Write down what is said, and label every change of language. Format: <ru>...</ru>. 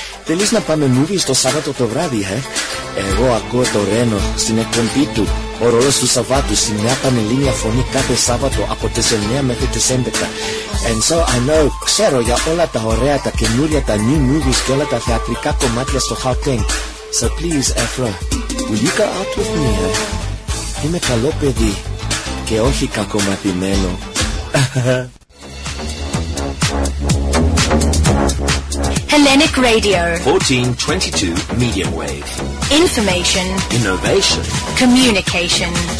<el>Θέλεις να πάμε movies το Σάββατο το βράδυ, ε? Εγώ ακούω το Ρένο στην εκπομπή του. Ο ρόλος του Σαββάτου στην μια πανελλήνια φωνή κάθε Σάββατο από τις 9 μέχρι τις 11.</el> <en>And so I know,</en> <el>ξέρω για όλα τα ωραία, τα καινούρια, τα</el> <en>new movies</en> <el>και όλα τα θεατρικά κομμάτια στο Χαουτένκ.</el> <en>So please, Afro, will you go out with me, eh?</en> <el>Είμαι καλό παιδί και όχι κακομαθημένο.</el> <en>Hellenic Radio. 1422 Medium Wave. Information. Innovation. Communication.</en>